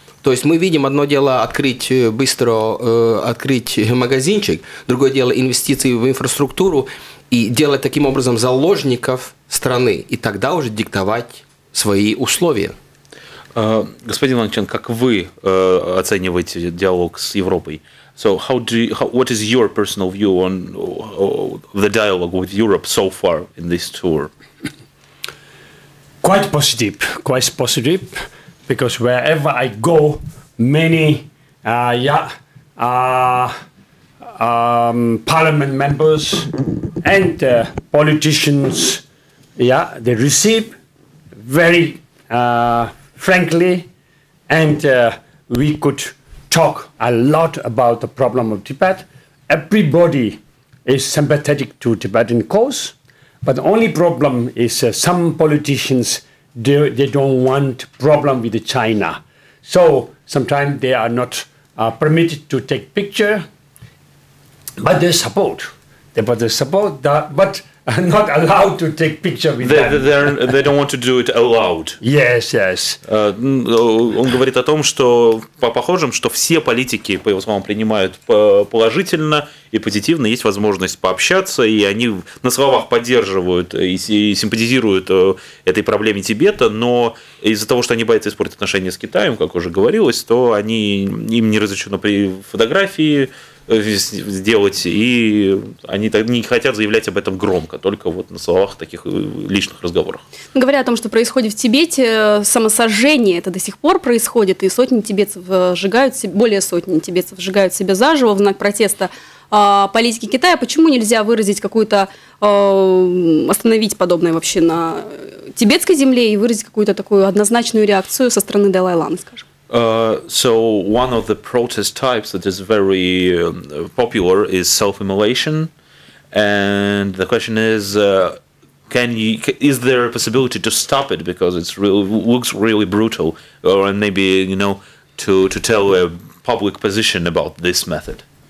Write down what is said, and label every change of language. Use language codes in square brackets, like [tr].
[ru] То есть мы видим одно дело открыть магазинчик, другое дело инвестиции в инфраструктуру и делать таким образом заложников страны, и тогда уже диктовать свои условия. Господин Ланчен, как вы оцениваете диалог с Европой? [en] So what is your personal view on the dialogue with Europe so far in this tour? Quite positive. Because wherever I go, many parliament members and politicians, they receive very frankly, and we could talk a lot about the problem of Tibet. Everybody is sympathetic to Tibetan cause, but the only problem is some politicians. They don't want problem with China, so sometimes they are not permitted to take picture, but they support. But not allowed to take picture with them. They don't want to do it allowed. Yes. [ru] Он говорит о том, что похожим, что все политики, по его словам, принимают положительно и позитивно, есть возможность пообщаться, и они на словах поддерживают и симпатизируют этой проблеме Тибета, но из-за того, что они боятся испортить отношения с Китаем, как уже говорилось, то они, им не разрешено при фотографии сделать, и они так не хотят заявлять об этом громко, только вот на словах, таких личных разговорах. Говоря о том, что происходит в Тибете, самосожжение это до сих пор происходит, и более сотни тибетцев сжигают себя заживо в знак протеста политики Китая. Почему нельзя выразить какую-то, остановить подобное вообще на тибетской земле и выразить какую-то такую однозначную реакцию со стороны Далай-ламы, скажем? [en] So one of the protest types that is very popular is self-immolation, and the question is, is there a possibility to stop it because it's really looks really brutal, or maybe to tell a public position about this method?